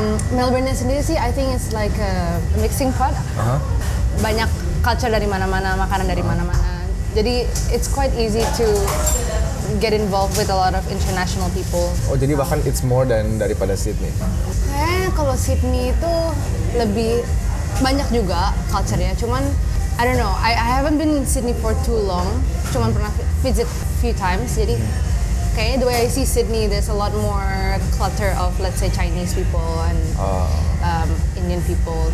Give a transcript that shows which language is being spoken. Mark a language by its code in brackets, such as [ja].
[id] Melbourne-nya sendiri sih, [en] I think it's like a mixing pot. Uh-huh. [id] Banyak culture dari mana-mana, makanan dari mana-mana. [en] Jadi, it's quite easy to get involved with a lot of international people. [id] Oh, jadi bahkan [en] it's more than [id] daripada Sydney? Kayaknya kalau Sydney itu lebih banyak juga culture-nya. Cuman, [en] I don't know, I haven't been in Sydney for too long. [id] Cuman pernah [en] visit few times, [id] jadi kayaknya [en] the way I see Sydney, there's a lot more clutter of, let's say, Chinese people and Indian people.